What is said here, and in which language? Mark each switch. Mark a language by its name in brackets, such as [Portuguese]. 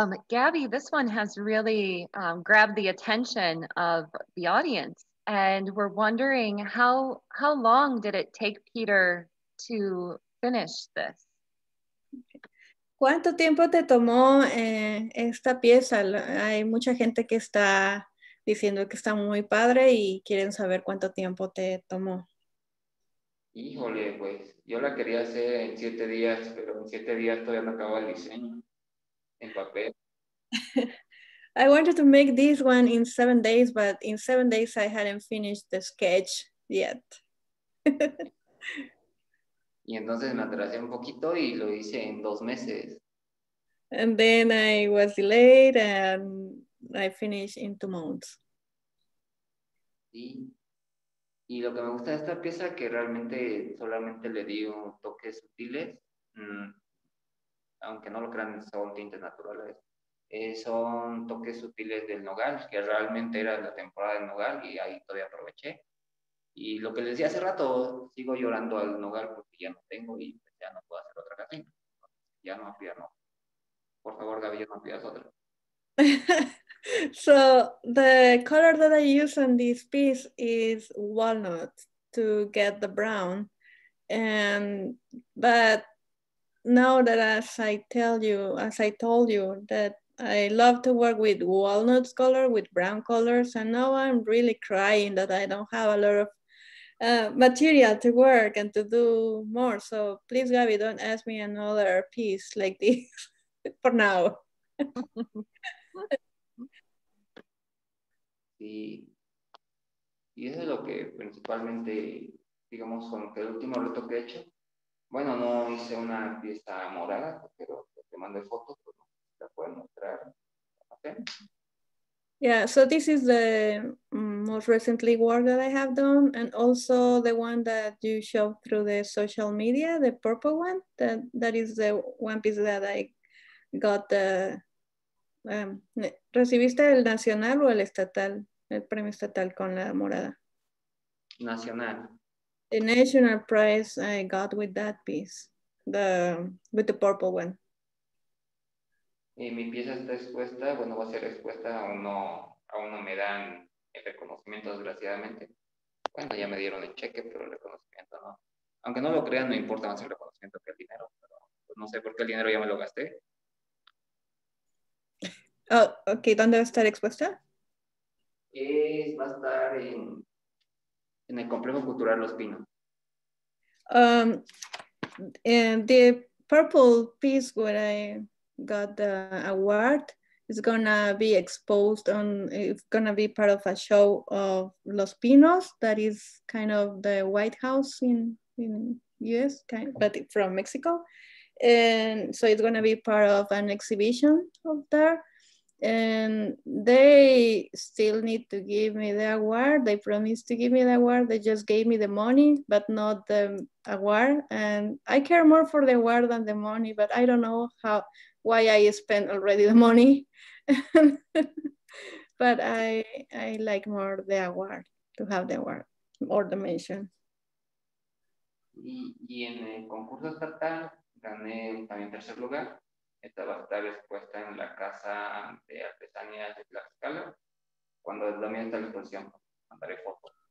[English] Gabby, this one has really grabbed the attention of the audience. And we're wondering how long did it take Peter to finish this? [Spanish] ¿Cuánto tiempo te tomó esta pieza? Hay mucha gente que está diciendo que está muy padre y quieren saber cuánto tiempo te tomó. Híjole, pues yo la quería hacer en 7 días, pero en 7 días todavía no acabó el diseño en papel. [English] I wanted to make this one in 7 days, but in 7 days I hadn't finished the sketch yet. [Spanish] Y entonces me atrasé un poquito y lo hice en 2 meses. [English] And then I was delayed and I finished in 2 months. [Spanish] Sí. Y lo que me gusta de esta pieza que realmente solamente le di un toque sutil, aunque no lo crean, son tintes naturales. Son toques sutiles del nogal, que realmente era la temporada del nogal y ahí todavía aproveché. Y lo que les decía hace rato, sigo llorando al nogal porque ya no tengo y ya no puedo hacer otra casita. Ya no pierdo. No. Por favor, Gaby, no pierdas otra. [English] So, the color that I use on this piece is walnut to get the brown. But now that as I told you that I love to work with walnut color, with brown colors, and now I'm really crying that I don't have a lot of material to work and to do more. So please, Gabby, don't ask me another piece like this for now. [Spanish] Sí. Y eso es lo que principalmente, digamos, con el último reto que he hecho. Bueno, no hice una pieza morada, pero te mandé fotos, pues no la pueden mostrar. [English] Yeah, so this is the most recently work that I have done, and also the one that you showed through the social media, the purple one, that is the one piece that I got the [Spanish] ¿recibiste el nacional o el estatal? El premio estatal con la morada. Nacional. [English] The national prize I got with that piece, with the purple one. [Spanish] Y mi pieza está expuesta, bueno, va a ser expuesta, aún no me dan el reconocimiento, desgraciadamente. Bueno, ya me dieron el cheque, pero el reconocimiento no. Aunque no lo crean, no importa más el reconocimiento que el dinero, pero pues no sé por qué el dinero ya me lo gasté. Oh, okay, ¿dónde va a estar expuesta? Va a estar en el Complejo Cultural Los Pinos. [English] And the purple piece where I got the award is gonna be exposed on, it's gonna be part of a show of Los Pinos, that is kind of the White House in US, kind of, but from Mexico. And so it's gonna be part of an exhibition up there. And they still need to give me the award. They promised to give me the award. They just gave me the money, but not the award. And I care more for the award than the money, but I don't know why I spent already the money. But I like more the award, to have the award, or the mention. [Spanish] Y en el concurso estatal, gané también tercer lugar. Esta va a estar expuesta en la Casa de Artesanía de Tlaxcala. Cuando es la mía esta exposición, mandaré fotos.